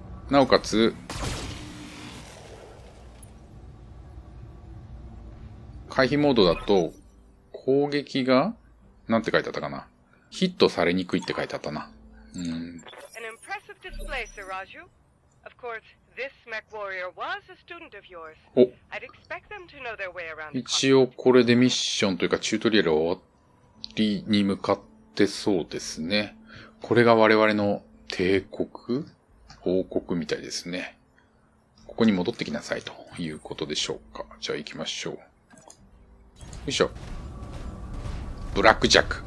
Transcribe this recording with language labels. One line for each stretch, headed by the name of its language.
Japanese: なおかつ、回避モードだと、攻撃が、なんて書いてあったかな。ヒットされにくいって書いてあったな。
English: An impressive display, Sir Raju. Of course, this mech warrior was a student of yours. I'd expect them to know their way around.
Japanese: 一応これでミッションというかチュートリアル終わりに向かってそうですね。これが我々の帝国王国みたいですね。ここに戻ってきなさいということでしょうか。じゃあ行きましょう。よいしょ。ブラックジャック。